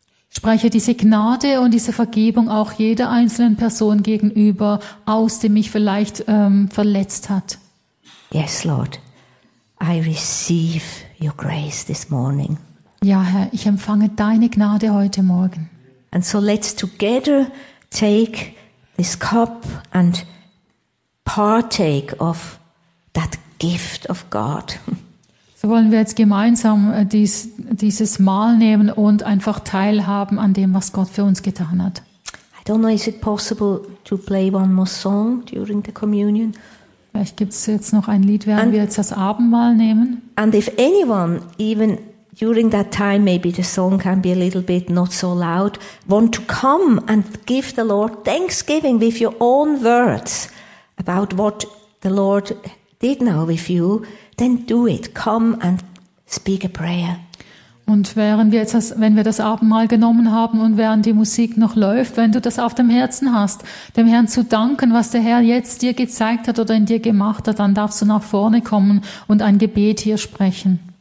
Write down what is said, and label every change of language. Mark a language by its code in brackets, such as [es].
[de] Spreche diese Gnade und diese Vergebung auch jeder einzelnen Person gegenüber aus, die mich vielleicht verletzt hat. [en] Yes, Lord. I receive your grace this morning. [de] Ja, Herr, ich empfange deine Gnade heute Morgen. [en] And so let's together take this cup and partake of that gift of God. [de] So wollen wir jetzt gemeinsam dieses Mahl nehmen und einfach teilhaben an dem, was Gott für uns getan hat. [en] I don't know, is it possible to play one more song during the communion? [de] Vielleicht gibt es jetzt noch ein Lied, während wir jetzt das Abendmahl nehmen. [en] And if anyone, even during that time, maybe the song can be a little bit not so loud, want to come and give the Lord thanksgiving with your own words about what the Lord did now with you, then do it. Come and speak a prayer. [de] Und während wir jetzt wenn wir das Abendmahl genommen haben und während die Musik noch läuft, wenn du das auf dem Herzen hast, dem Herrn zu danken, was der Herr jetzt dir gezeigt hat oder in dir gemacht hat, dann darfst du nach vorne kommen und ein Gebet hier sprechen.